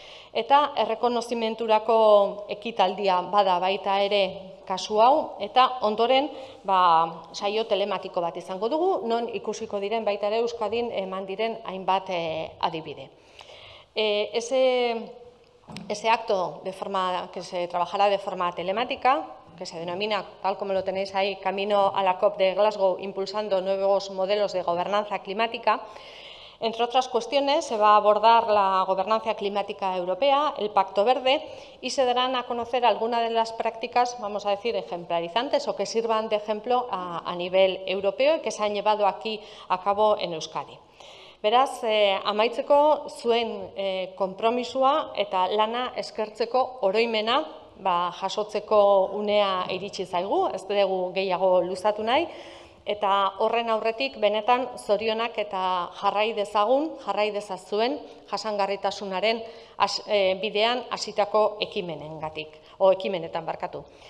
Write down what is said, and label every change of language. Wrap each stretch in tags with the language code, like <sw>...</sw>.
<eu>Eta errekonozimenturako ekitaldia bada baita ere kasu hau, eta ondoren saio telematiko bat izango dugu, non ikusiko diren baita ere Euskadin eman diren hainbat adibide.</eu> <es>Ese Ese acto de forma que se trabajará de forma telemática, que se denomina, tal como lo tenéis ahí, Camino a la COP de Glasgow, impulsando nuevos modelos de gobernanza climática. Entre otras cuestiones, se va a abordar la gobernanza climática europea, el Pacto Verde, y se darán a conocer algunas de las prácticas, vamos a decir, ejemplarizantes o que sirvan de ejemplo a nivel europeo y que se han llevado aquí a cabo en Euskadi.</es> <eu>Beraz, amaitzeko zuen konpromisua eta lana eskertzeko oroimena jasotzeko unea iritsi zaigu, ez dugu gehiago luzatu nahi, eta horren aurretik benetan zorionak eta jarrai dezagun, jarrai dezazuen jasangarritasunaren bidean hasitako ekimenengatik, o ekimenetan barkatu.</eu>